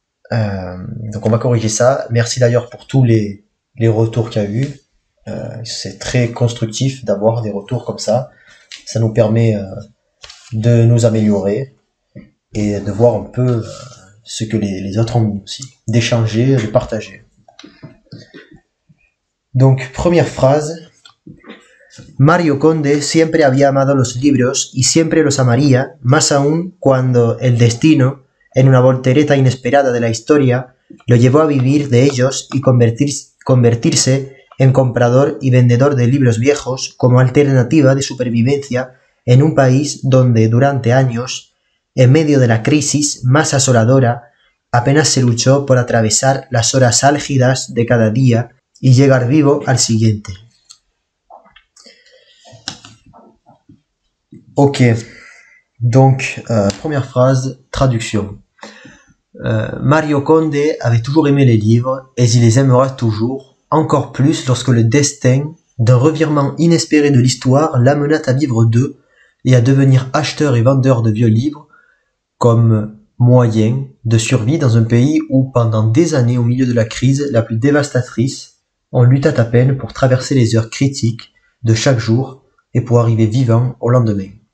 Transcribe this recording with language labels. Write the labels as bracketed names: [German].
[French] Donc on va corriger ça. Merci d'ailleurs pour tous les retours qu'il y a eu. C'est très constructif d'avoir des retours comme ça. Ça nous permet de nous améliorer et de voir un peu ce que les autres ont mis aussi, d'échanger, de partager. Donc, première phrase. [Spanish] Mario Conde siempre había amado los libros y siempre los amaría, más aún cuando el destino, en una voltereta inesperada de la historia, lo llevó a vivir de ellos y convertirse en comprador y vendedor de libros viejos como alternativa de supervivencia en un país donde durante años, en medio de la crisis más asoladora, apenas se luchó por atravesar las horas álgidas de cada día y llegar vivo al siguiente. [French] Ok, donc première phrase, traduction. Mario Conde avait toujours aimé les livres et il les aimera toujours, encore plus lorsque le destin d'un revirement inespéré de l'histoire l'amena à vivre d'eux et à devenir acheteur et vendeur de vieux livres comme moyen de survie dans un pays où, pendant des années, au milieu de la crise la plus dévastatrice, on lutta à peine pour traverser les heures critiques de chaque jour et pour arriver vivant au lendemain.